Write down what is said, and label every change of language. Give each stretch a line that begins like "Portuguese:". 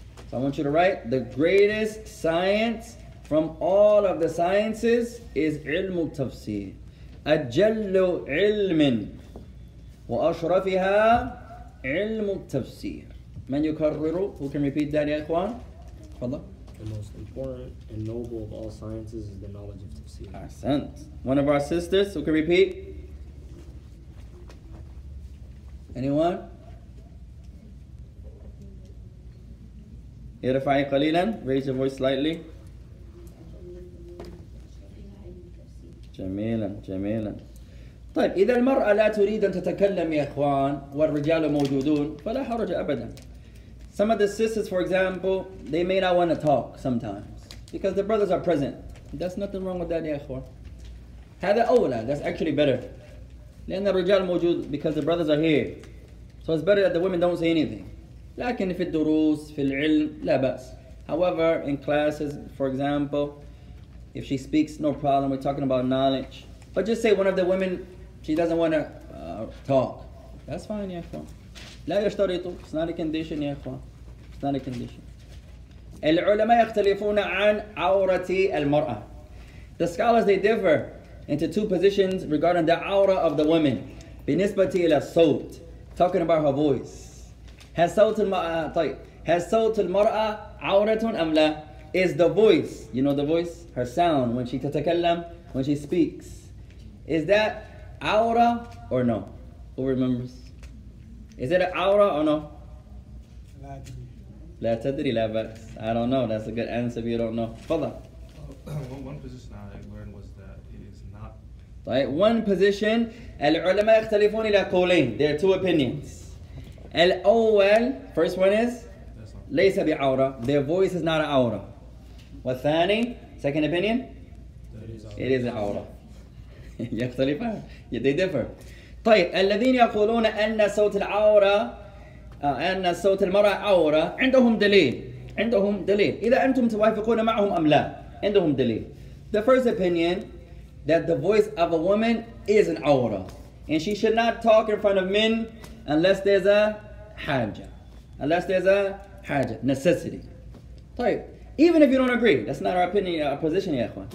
English: So I want you to write, the greatest science from all of the sciences is
Arabic: علم التفسير. أجل علم وأشرفها علم التفسير. من يكرر؟
English: Who can repeat that,
Arabic: يا إخوان؟ تفضل.
English: The most important and noble of all sciences is the knowledge of tafsir. Ahsant. One of our sisters, who can repeat? Anyone?
Arabic: Irfa'i qalilan,
English: raise your voice slightly.
Arabic: Jamilan, jamilan. طيب إذا المرأة لا تريد أن تتكلم يا إخوان والرجال موجودون فلا حرج أبدا.
English: Some of the sisters, for example, they may not want to talk sometimes because the brothers are present. That's nothing wrong with that, ya akhwan.
Arabic: Hada awla,
English: that's actually better.
Arabic: لأن الرجال موجود,
English: because the brothers are here. So it's better that the women don't say anything.
Arabic: لكن في الدروس, في العلم, لا بأس.
English: However, in classes, for example, if she speaks, no problem, we're talking about knowledge. But just say one of the women, she doesn't want to talk. That's fine, ya akhwan.
Arabic: لا يشتريط.
English: It's not a condition, يا إخوان. It's not a condition.
Arabic: العلماء يختلفون عن عورة المرأة.
English: The scholars, they differ into two positions regarding the aura of the woman.
Arabic: بالنسبة إلى صوت.
English: Talking about her voice.
Arabic: هل صوت المرأة, طيب. هل صوت المرأة عورة أم لا?
English: Is the voice, you know the voice? Her sound when she
Arabic: تتكلم,
English: when she speaks. Is that عورة or no? Who remembers? Is it an aura or no?
Arabic: لا تدري. لا تدري.
English: I don't know. That's a good answer if you don't know.
Arabic: Fadha.
English: One position I learned was that it is not. طيب. One position.
Arabic: العلماء يختلفون إلى قولين.
English: There are two opinions.
Arabic: الأول.
English: First one is.
Arabic: ليس بعورة.
English: Their voice is not an aura.
Arabic: والثاني.
English: Second opinion. That is it is an aura.
Arabic: يختلفان.
English: Yeah, they differ.
Arabic: طيب الذين يقولون أن صوت العورة أن صوت المرأة عورة عندهم دليل عندهم دليل إذا أنتم توافقون معهم أم لا عندهم دليل.
English: The first opinion that the voice of a woman is an aura and she should not talk in front of men unless there's a حاجة unless there's a حاجة necessity. طيب even if you don't agree, that's not our opinion, our position, يا أخوان.